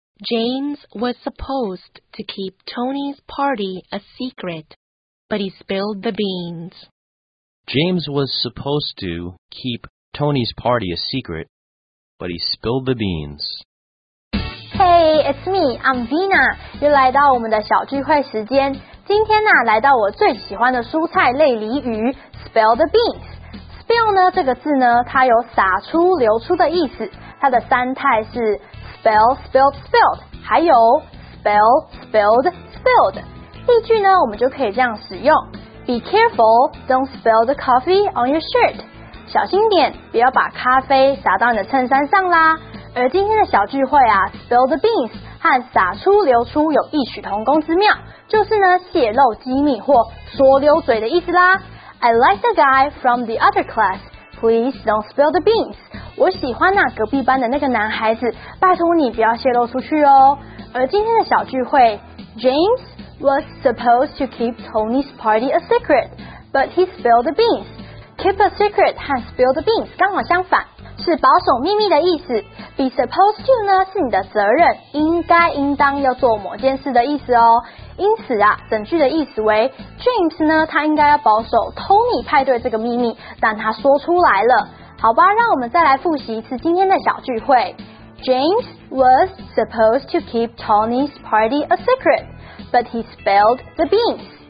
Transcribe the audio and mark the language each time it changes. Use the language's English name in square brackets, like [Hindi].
[English] James was supposed to keep Tony's party a secret, but he spilled the beans. James was supposed to keep Tony's party a secret, but he spilled the beans. Hey, it's me, I'm Vina. [Chinese] 又来到我们的小聚会时间。今天呢，来到我最喜欢的蔬菜类鲤鱼 ,spill the beans. Spill 呢，这个字呢，它有洒出、流出的意思。它的三态是spill, spilled, spilled, 还有 spill, spilled, spilled. 例句呢我们就可以这样使用。 [English] Be careful, don't spill the coffee on your shirt. [Chinese] 小心点，不要把咖啡洒到你的衬衫上啦。而今天的小聚会啊 ,spill the beans, 和洒出流出有异曲同工之妙，就是呢泄露机密或说溜嘴的意思啦。 [English] I like the guy from the other class, please don't spill the beans. [Chinese] 我喜欢那隔壁班的那个男孩子，拜托你不要泄露出去哦。而今天的小聚会 [English] ，James was supposed to keep Tony's party a secret, but he spilled the beans. [Chinese] Keep a secret 和 spill the beans 刚好相反，是保守秘密的意思。 Be supposed to 呢是你的责任，应该应当要做某件事的意思哦。因此啊，整句的意思为 James 呢他应该要保守 Tony 派对这个秘密，但他说出来了。好吧，让我们再来复习一次今天的小聚会。 [English] James was supposed to keep Tony's party a secret, but he spilled the beans.